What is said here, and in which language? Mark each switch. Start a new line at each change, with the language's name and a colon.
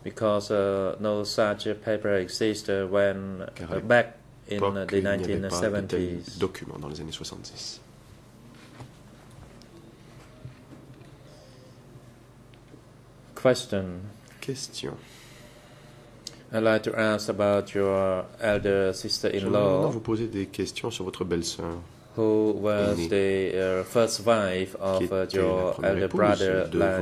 English: Because no such paper existed when back in the 1970s.
French: Document dans les années 70. Question. Question.
English: I'd like to ask about your elder sister-in-law.
French: Je voudrais vous poser des questions sur votre belle-sœur.
English: Who was the first wife of your elder brother, Lachni?